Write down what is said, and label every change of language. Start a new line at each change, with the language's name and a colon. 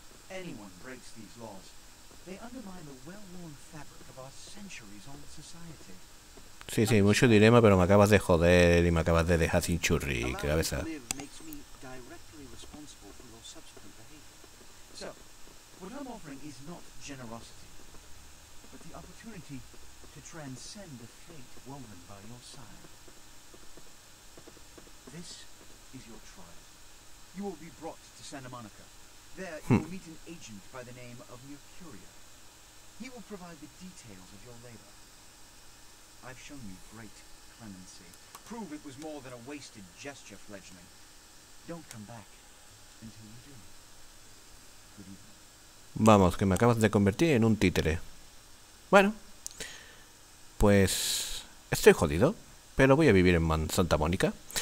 English: Anyone breaks these laws, they undermine the well-worn fabric of our centuries-old society.
Spanish: Sí, sí, mucho dilema, pero me acabas de joder y me acabas de dejar sin churri, cabeza.
English: Makes me directly responsible for your subsequent behavior. So, what I'm offering is not generosity, but the opportunity to transcend the fate woven by your sire. This is your trial. You will be brought to Santa Monica. There you will meet an agent by the name of Mercurio. He will provide the details of your labor. I've shown you great clemency. Prove it was more than a wasted gesture, fledgling. Don't come back until you do. Good evening.
Spanish: Vamos, que me acabas de convertir en un títere. Bueno, pues estoy jodido, pero voy a vivir en Santa Mónica.